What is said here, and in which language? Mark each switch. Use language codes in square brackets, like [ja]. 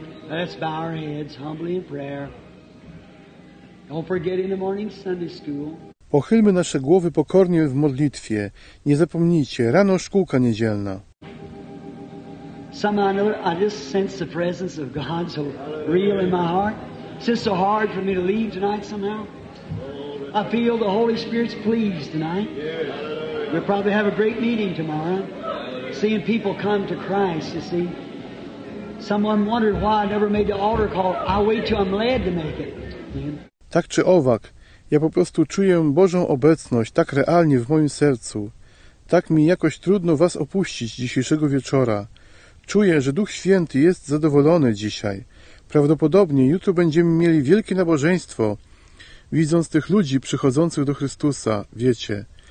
[en] Let's bow our heads humbly in prayer. Don't forget in the morning Sunday school. [pl] Pochylmy nasze głowy pokornie w modlitwie. Nie zapomnijcie, rano szkółka niedzielna. [en] Somehow I just sense the presence of God so real in my heart. It's just so hard for me to leave tonight somehow. I feel the Holy Spirit's pleased tonight. We'll probably have a great meeting tomorrow. Seeing people come to Christ, you see. Someone wondered why I never made the altar call. I wait till I'm led to make it. [pl] Tak czy owak, ja po prostu czuję Bożą obecność tak realnie w moim sercu. Tak mi jakoś trudno Was opuścić dzisiejszego wieczora. Czuję, że Duch Święty jest zadowolony dzisiaj. Prawdopodobnie jutro będziemy mieli wielkie nabożeństwo, widząc tych ludzi przychodzących do Chrystusa, wiecie.